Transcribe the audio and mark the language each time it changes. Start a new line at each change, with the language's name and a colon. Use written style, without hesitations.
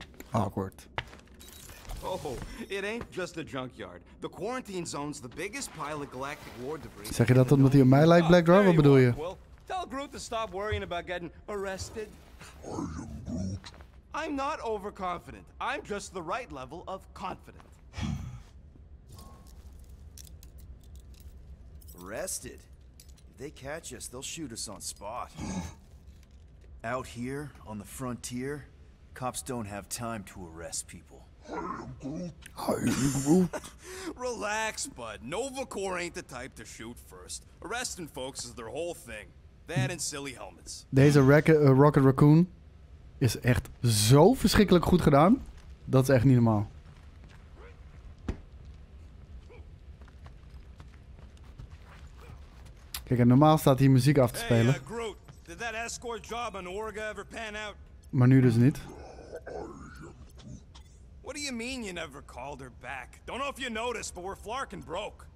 English: Awkward. Oh, it ain't just a junkyard. The quarantine zone's the biggest pile of galactic war debris.
Dutch: Zeg je dat omdat hij op mij lijkt, Black Dwarf? Wat bedoel je?
English: Well, tell Groot to stop worrying about getting arrested. I am Groot. I'm not overconfident. I'm just the right level of confident. Arrested? If they catch us, they'll shoot us on spot. Out here, on the frontier, cops don't have time to arrest people. Relax, bud. Novacore ain't the type to shoot first. Arresting folks is their whole thing. That and silly helmets.
Dutch: Deze Rocket Raccoon is echt zo verschrikkelijk goed gedaan. Dat is echt niet normaal. Kijk, en normaal staat hier muziek af te spelen.
English: Hey, Groot. Did that escort job on Orga ever pan out?
Dutch: Maar nu dus niet.
English: What do you mean you never called her back? Don't know if you noticed, but we're flarking broke.